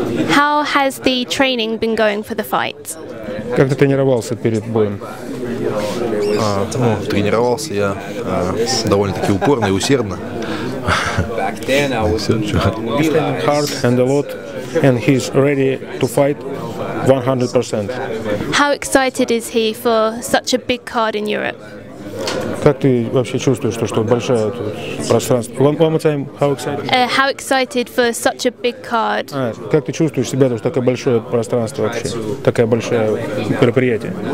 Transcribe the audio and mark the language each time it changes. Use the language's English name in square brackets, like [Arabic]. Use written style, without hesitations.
[English] How has the training been going for the fight? [Russian] Как ты тренировался перед боем? Тренировался я довольно-таки упорно и усердно. [English] He's training hard and a lot, and he's ready to fight 100%. How excited is he for such a big card in Europe? [Russian] Как ты вообще чувствуешь то, что большое тут пространство? [English] One more time, how excited? How excited for such a big card? [Russian] Как ты чувствуешь себя, то, что такое большое пространство вообще, такое большое мероприятие?